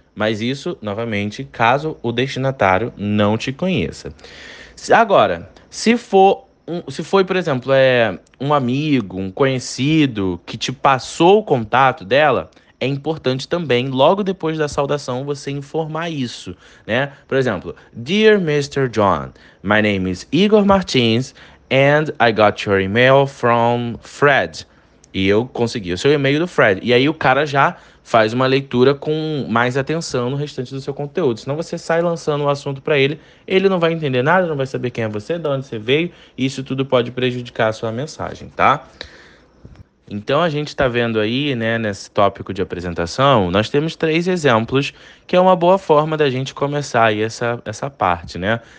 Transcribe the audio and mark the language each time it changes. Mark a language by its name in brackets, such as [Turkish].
[Portuguese] Mas isso, novamente, caso o destinatário não te conheça. Agora, se foi, por exemplo, um amigo, um conhecido que te passou o contato dela, é importante também, logo depois da saudação, você informar isso, né? Por exemplo, [English] Dear Mr. John, my name is Igor Martins and I got your email from Fred. [Portuguese] E eu consegui o seu e-mail do Fred. E aí o cara já faz uma leitura com mais atenção no restante do seu conteúdo. Senão você sai lançando o um assunto para ele não vai entender nada, não vai saber quem é você, de onde você veio, e isso tudo pode prejudicar a sua mensagem, tá? Então a gente está vendo aí, né, nesse tópico de apresentação, nós temos três exemplos que é uma boa forma da gente começar aí essa parte, né?